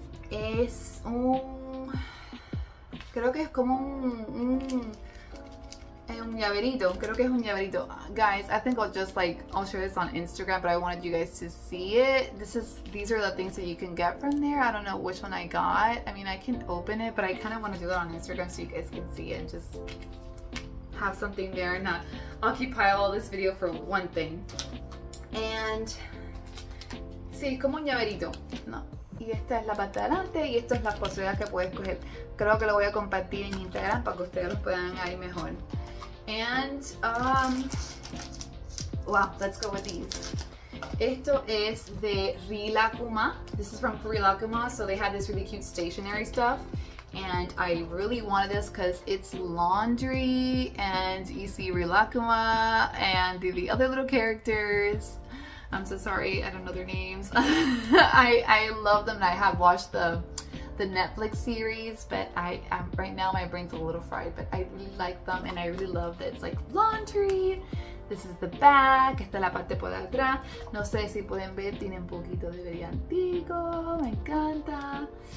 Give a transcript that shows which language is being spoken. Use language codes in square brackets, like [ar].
[es] Es un, creo que es como un llaverito. Creo que es un llaverito. [en] Guys, I think I'll just like, I'll share this on Instagram, but I wanted you guys to see it. This is, these are the things that you can get from there. I don't know which one I got. I mean, I can open it, but I kind of want to do that on Instagram so you guys can see it and just have something there and not occupy all this video for one thing. [es] And sí, como un llaverito. No. Y esta es la parte de adelante y esto es la posibilidad que puedes coger. Creo que lo voy a compartir en Instagram para que ustedes lo puedan ahí mejor. [en] And wow, let's go with these. [es] Esto es de Rilakkuma. [en] This is from Rilakkuma, so they had this really cute stationery stuff. And I really wanted this because it's laundry and you see Rilakkuma and the other little characters. I'm so sorry, I don't know their names. I love them and I have watched the Netflix series, but I'm right now my brain's a little fried, but I really like them and I really love that it's like laundry. This is the back, [es] esta es la parte por atrás. No sé si pueden ver, tiene un poquito de brillantico, me encanta.